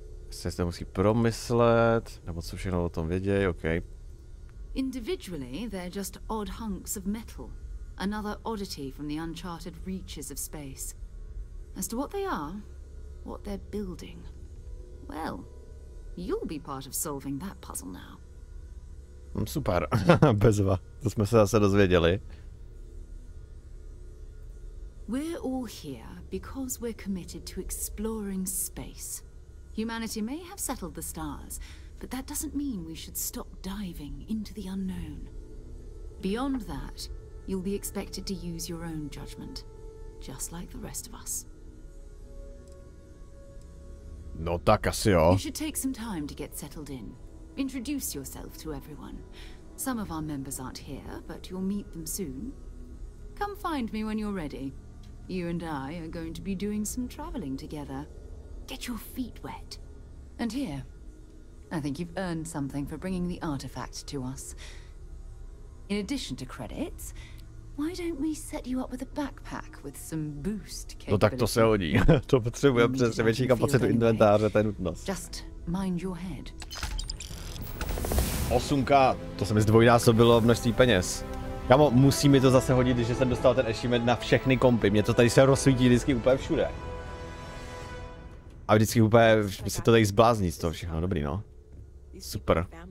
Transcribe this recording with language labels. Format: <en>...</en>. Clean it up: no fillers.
<cs>Se zde musí promyslet, nebo co všechno o tom vědějí, okej.</cs> <en>Okay. Individually, they're just odd hunks of metal, another oddity from the uncharted reaches of space. As to what they are, what they're building, well, you'll be part of solving that puzzle now.</en> <cs>Super, bezva, to jsme se zase dozvěděli.</cs> <en>We're all here because we're committed to exploring space. Humanity may have settled the stars, but that doesn't mean we should stop diving into the unknown. Beyond that, you'll be expected to use your own judgment, just like the rest of us.</en> <cs>No tak asi jo.</cs> <en>You should take some time to get settled in. Introduce yourself to everyone. Some of our members aren't here, but you'll meet them soon. Come find me when you're ready. You and I are going to be doing some traveling together. Get your feet wet. And here. I think you've earned something for bringing the artifact to us. In addition to credits, Why don't we set you up with a backpack with some boost?</en> <cs>No tak to se hodí. To potřebujeme přesně větší kapacitu inventáře, to je nutnost.</cs> <en>Just mind your head.</en> <cs>8K, to se mi zdvojnásobilo množství peněz. Kamo, musí mi to zase hodit, že jsem dostal ten achievement na všechny kompy. Mě to tady se rozsvítí vždycky úplně všude. A vždycky úplně se to tady zblázní z toho všechno. Dobrý, no. Super.</cs>